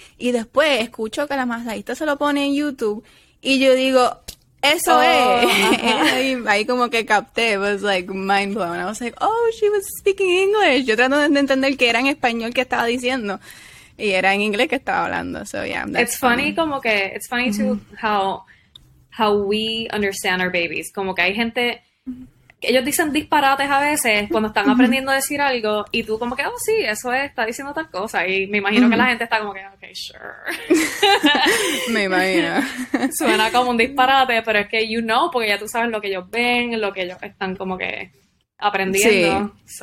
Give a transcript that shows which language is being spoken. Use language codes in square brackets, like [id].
[es] Y después escucho que la masajista se lo pone en YouTube y yo digo... Eso ahí como que capté, [en] was like mind blown. I was like, oh, she was speaking English. [es] Yo tratando de entender que era en español que estaba diciendo y era en inglés que estaba hablando. [en] So yeah, that's it's funny. [es] Como que [en] it's funny too how we understand our babies. [es] Como que hay gente que ellos dicen disparates a veces cuando están aprendiendo a decir algo y tú como que, oh sí, eso es, está diciendo tal cosa. Y me imagino que la gente está como que, okay, sure. Me imagino. Suena como un disparate, pero es que you know, porque ya tú sabes lo que ellos ven, lo que ellos están como que aprendiendo. Sí.